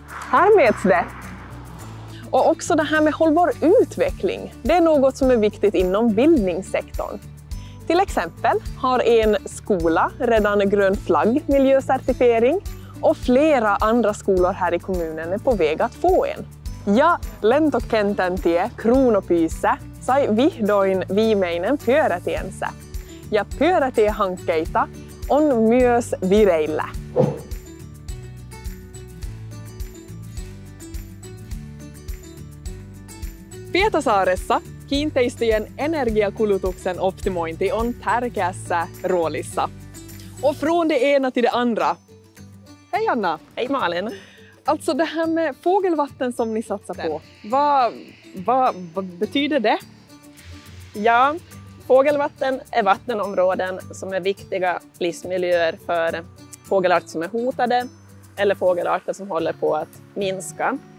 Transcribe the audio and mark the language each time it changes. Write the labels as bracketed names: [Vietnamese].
[Swedish] Här mäts det. Och också det här med hållbar utveckling. Det är något som är viktigt inom bildningssektorn. Till exempel har en skola redan grön flagg miljöcertifiering och flera andra skolor här i kommunen är på väg att få en. [Finnish] Ja, lentokententie, kronopyse, sai vihdoin viimeinen pyörätiensä. Ja pyörätiehankkeita on myös vireillä. Pietasaaressa kiinteistöjen energiakulutuksen optimointi on tärkeässä roolissa. [Swedish] Och från det ena till det andra. Hej Anna! Hej Malin! Alltså det här med fågelvatten som ni satsar på, vad betyder det? Ja, fågelvatten är vattenområden som är viktiga livsmiljöer för fågelarter som är hotade eller fågelarter som håller på att minska.